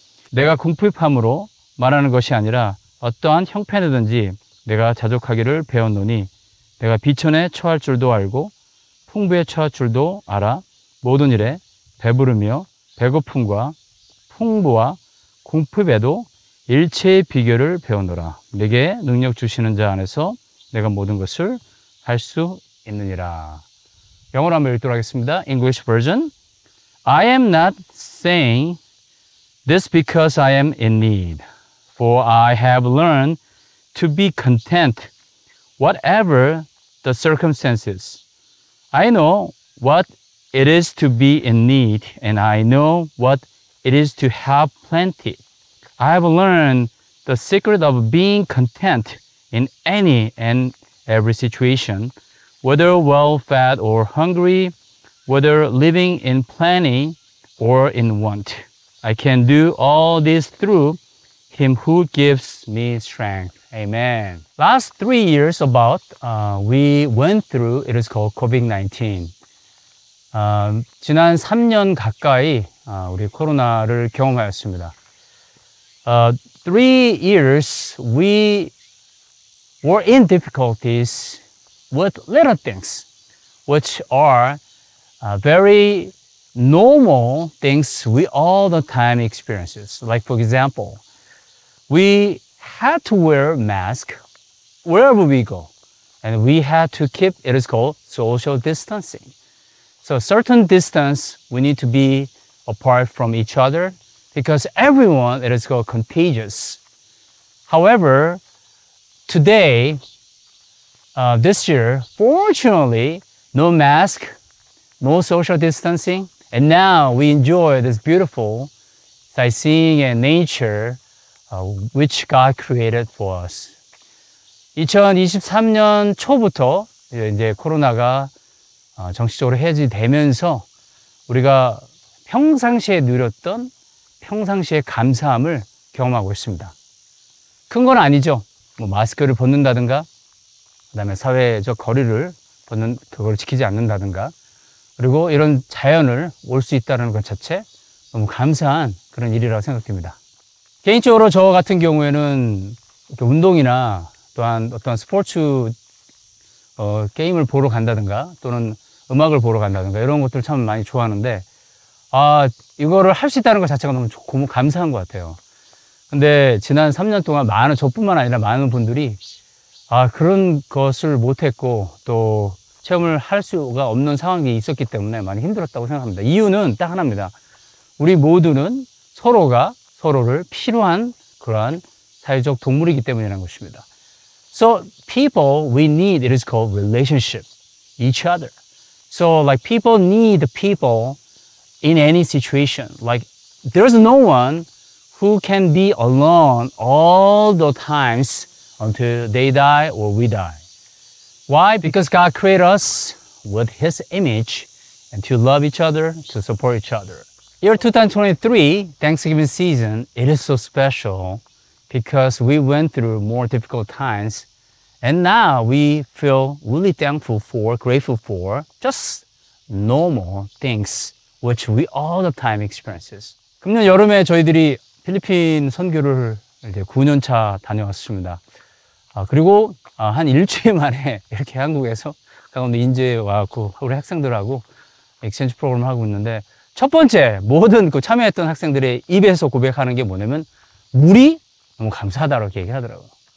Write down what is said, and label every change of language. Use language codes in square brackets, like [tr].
[ko] 내가 궁핍함으로 말하는 것이 아니라 어떠한 형편에든지 내가 자족하기를 배웠노니 내가 비천에 처할 줄도 알고 풍부에 처할 줄도 알아 모든 일에 배부르며 배고픔과 풍부와 궁핍에도 일체의 비결을 배웠노라 내게 능력 주시는 자 안에서 내가 모든 것을 할 수 있느니라 영어로 한번 읽도록 하겠습니다. [en] English version I am not saying this because I am in need. For I have learned to be content, whatever the circumstances. I know what it is to be in need, and I know what it is to have plenty. I have learned the secret of being content in any and every situation, whether well-fed or hungry, whether living in plenty or in want. I can do all this through Him who gives me strength. Amen. Last 3 years about, we went through, it is called COVID-19. [ko] 지난 3년 가까이 우리 코로나를 경험하였습니다. [en] 3 years, we were in difficulties with little things, which are very normal things we all the time experiences. Like, for example, we had to wear a mask wherever we go. And we had to keep, it is called social distancing. So a certain distance we need to be apart from each other because everyone, it is called contagious. However, today, this year, fortunately, no mask, no social distancing, and now we enjoy this beautiful sightseeing and nature which God created for us. [ko] 2023년 초부터 이제 코로나가 정식적으로 해제되면서 우리가 평상시에 누렸던 평상시의 감사함을 경험하고 있습니다. 큰 건 아니죠. 뭐 마스크를 벗는다든가, 그 다음에 사회적 거리를 벗는, 그걸 지키지 않는다든가, 그리고 이런 자연을 올 수 있다는 것 자체 너무 감사한 그런 일이라고 생각됩니다. 개인적으로 저 같은 경우에는 이렇게 운동이나 또한 어떤 스포츠 게임을 보러 간다든가 또는 음악을 보러 간다든가 이런 것들을 참 많이 좋아하는데 이거를 할 수 있다는 것 자체가 너무 좋고 감사한 것 같아요. 근데 지난 3년 동안 많은 저뿐만 아니라 많은 분들이 그런 것을 못했고 또 체험을 할 수가 없는 상황이 있었기 때문에 많이 힘들었다고 생각합니다. 이유는 딱 하나입니다. 우리 모두는 서로가 서로를 필요한 그러한 사회적 동물이기 때문이라는 것입니다. [en] So people we need, it is called relationship, each other. So like people need the people in any situation. Like there's no one who can be alone all the times until they die or we die. Why? Because God created us with His image and to love each other, to support each other. Year 2023, Thanksgiving season, it is so special because we went through more difficult times. And now we feel really thankful for, grateful for just normal things which we all the time experiences. [ko] 금년 여름에 저희들이 필리핀 선교를 이제 9년 차 다녀왔습니다. 그리고 한 일주일 만에 이렇게 한국에서 강원도 인제에 와서 우리 학생들하고 엑스체인지 프로그램을 하고 있는데 첫 번째 모든 그 참여했던 학생들의 입에서 고백하는 게 뭐냐면 물이 너무 감사하다라고 얘기하더라고요.